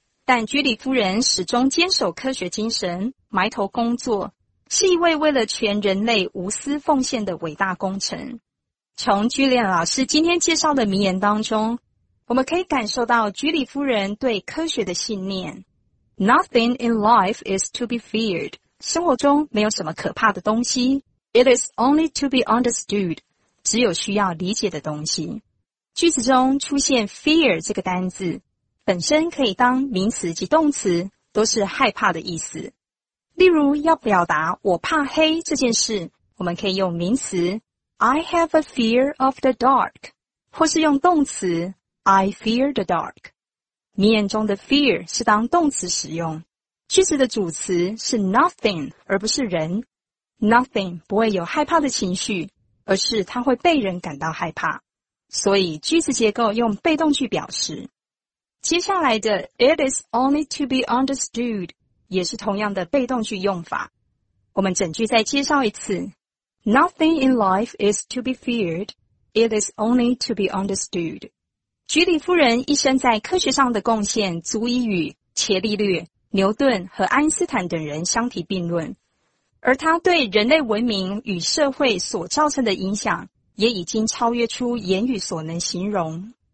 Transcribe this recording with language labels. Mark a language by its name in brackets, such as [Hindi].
[Chinese] 但居里夫人始终坚守科学精神，埋头工作，是一位为了全人类无私奉献的伟大功臣。从居里老师今天介绍的名言当中，我们可以感受到居里夫人对科学的信念。 [English] Nothing in life is to be feared， [Chinese] 生活中没有什么可怕的东西。 [English] It is only to be understood， [Chinese] 只有需要理解的东西。句子中出现 fear 这个单字，本身可以当名词及动词，都是害怕的意思。例如要表达我怕黑这件事，我们可以用名词 [English] I have a fear of the dark， [Chinese] 或是用动词 [English] I fear the dark。 [Chinese] 名言中的 fear 是当动词使用，句子的主词是 nothing 而不是人。 Nothing 不会有害怕的情绪，而是它会被人感到害怕，所以句子结构用被动句表示。接下来的 [English] It is only to be understood [Chinese] 也是同样的被动句用法。我们整句再介绍一次。 [English] Nothing in life is to be feared. It is only to be understood. [Chinese] 居里夫人一生在科学上的贡献足以与伽利略、牛顿和爱因斯坦等人相提并论，而他对人类文明与社会所造成的影响也已经超越出言语所能形容。